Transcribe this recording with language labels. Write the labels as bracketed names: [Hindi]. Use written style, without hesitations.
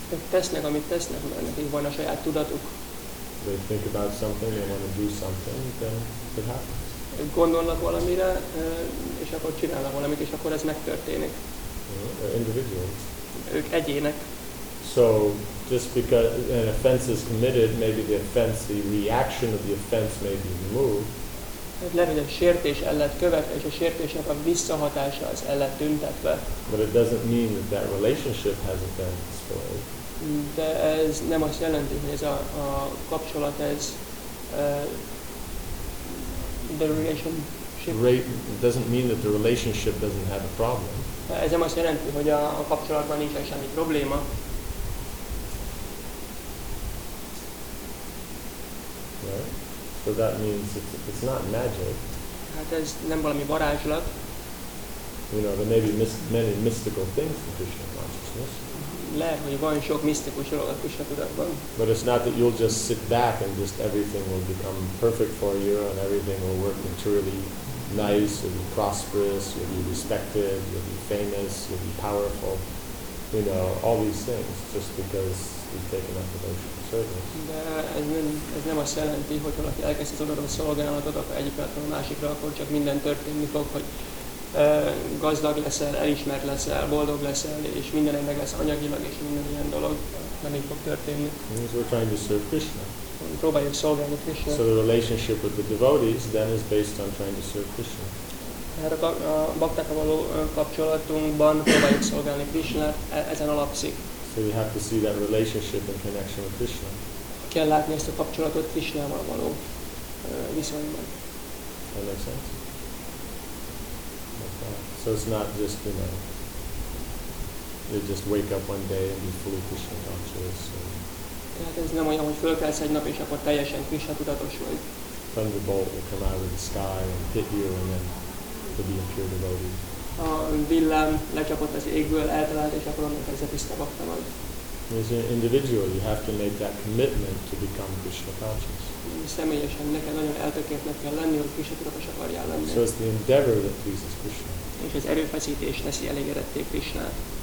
[Hungarian] Ők tesznek, amit tesznek, mert nekik van a saját tudatuk. [English] They think about something, they want to do something, then it happens. [Hungarian] Gondolnak valamire, és akkor csinálnak valamit, és akkor ez megtörténik. [English] They're individuals. [Hungarian] Ők egyének. [English] So just because an offense is committed, maybe the offense, the reaction of the offense may be removed. [Hungarian] Lehet, hogy a sértés el lett követve, és a sértésnek a visszahatása az el lett tüntetve. [English] But it doesn't mean that that relationship hasn't been destroyed. [Hungarian] De ez nem azt jelenti, hogy ez a kapcsolat, ez [English] the relationship. It doesn't mean that the relationship doesn't have a problem. [Hungarian] Ez nem azt jelenti, hogy a kapcsolatban nincs semmi probléma. [English] So that means it's not magic. [Hungarian] Hát ez nem valami varázslat. [English] You know, there may be many mystical things in Krishna consciousness. [Hungarian] Lehet, hogy van sok misztikus dolog a Krishna tudatban. [English] But it's not that you'll just sit back and just everything will become perfect for you and everything will work materially nice, you'll be prosperous, you'll be respected, you'll be famous, you'll be powerful. You know, all these things, just because you've taken up devotion. [Hungarian] De ez nem azt jelenti, hogy valaki elkezdi az odaadó szolgálatot, akkor egyik pillanatról a másikra, akkor csak minden történni fog, hogy gazdag leszel, elismert leszel, boldog leszel, és minden meg lesz anyagilag, és minden ilyen dolog nem így fog történni. [English] So we're trying to serve Krishna. [Hungarian] Próbáljuk szolgálni Krishna. [English] So the relationship with the devotees then is based on trying to serve Krishna. [Hungarian] Tehát a baktákkal való kapcsolatunkban próbáljuk szolgálni Krishnát, ezen alapszik. [English] So you have to see that relationship in connection with Krishna. [Hungarian] Kell látni ezt a kapcsolatot Krishnával való viszonyban. [English] That makes sense. Okay. So it's not just, you know, you just wake up one day and be fully Krishna conscious. [Hungarian] Tehát ez nem olyan, hogy fölkelsz egy nap és akkor teljesen Krishna tudatos vagy. [English] Thunderbolt will come out of the sky and hit you and then to be a pure devotee. [Hungarian] A villám lecsapott az égből, eltalált, és akkor onnan kezdett is tabakta majd. [English] As an individual, you have to make that commitment to become Krishna conscious. [Hungarian] Személyesen neked nagyon eltökéltnek kell lenni, hogy Krishna tudatos akarjál lenni. [English] So it's the endeavor that pleases Krishna. [Hungarian] És az erőfeszítés teszi elégedetté Krishnát.